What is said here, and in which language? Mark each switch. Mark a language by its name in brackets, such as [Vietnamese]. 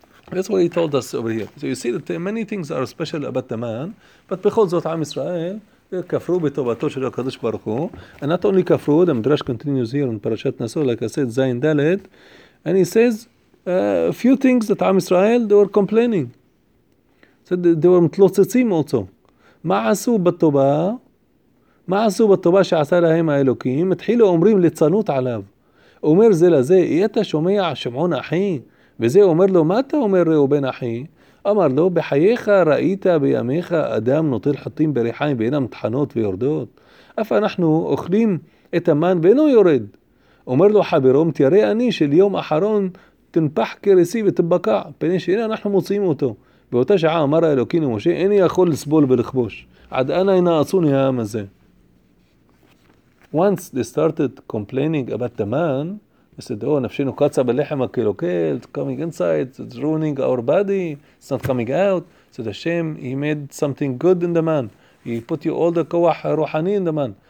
[English] That's what he told us over here. So you see that many things are special about the man, but [Hebrew] בכל זאת עם ישראל כפרו בטובתו של הקדוש ברוך הוא, [English] and not only כפרו, the midrash continues here in פרשת נשא, like I said, Zayin Dalet, and he says a few things that עם ישראל, they were complaining. So they were מתלוצצים also. [Hebrew] מה עשו בטובה? מה עשו בטובה שעשה להם האלוקים? התחילו אומרים לצנות עליו. אומר זה לזה, אתה שומע שמעון אחי? וזה אומר לו, מה אתה אומר ראובן אחי? אמר לו, בחייך ראית בימיך אדם נוטל חטים בריחיים ואינם תחנות ויורדות? אף אנחנו אוכלים את המן ואינו יורד. אומר לו חברו, תראה אני של יום אחרון תנפח כרסי ותבקע, פני שאין אנחנו מוצאים אותו. באותה שעה אמר האלוקים למשה, איני יכול לסבול ולכבוש. עד אנה אינה עצוני העם הזה. [English] Once they started complaining about the man, I said, oh, [Hebrew] nafshinu katsa belechem akilokel, [English] coming inside, it's ruining our body, it's not coming out. So the Hashem, he made something good in the man. He put you all the kawah ruhani in the man.